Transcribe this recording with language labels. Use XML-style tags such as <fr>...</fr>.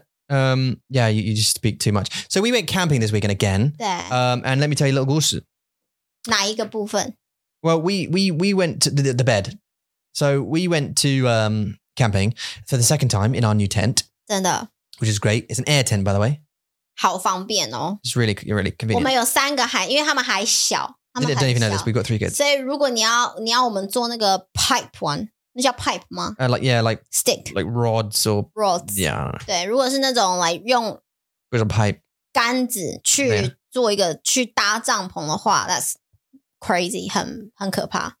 <en>Yeah, you just speak too much. So we went camping this weekend again.</en> <zh>对。</zh> <en>And let me tell you a little 故事。</en> <zh>哪一个部分?</zh> <en>Well, we went to the bed. So we went to camping for the second time in our new tent.</en> <zh>真的。</zh> <en>Which is great. It's an air tent, by the way.</en> <zh>好方便哦。</zh> <en>It's really, really convenient.</en> <zh>我们有三个孩，因为他们还小。</zh> <en>I don't even know this. We've got three kids.</en> <zh>所以如果你要我们做那个 pipe one, 那叫 pipe 吗？</zh> <en>Like, yeah, like stick, like rods or rods. Yeah.</en> <zh>对，如果是那种 like 用</zh> <en>with a pipe</en> <zh>杆子去做一个、yeah. 去搭帐篷的话 ，</zh> <en>that's crazy,</en> <zh>很可怕。</zh>